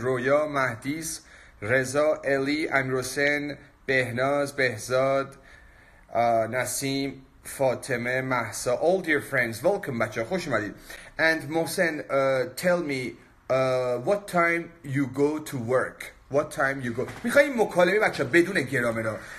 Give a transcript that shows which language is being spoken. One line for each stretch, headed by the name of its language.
Persian: رویا، مهدیس، رضا، الی، امیرحسین، بهناز، بهزاد، نسیم، فاطمه، مهسا،
English: all dear friends, welcome
Persian: بچه ها خوش اومدید.
English: And Mohsen, tell me, what time you go to work? What time you go?
Persian: میخواییم مکالمه بچه ها بدون گرامر ها.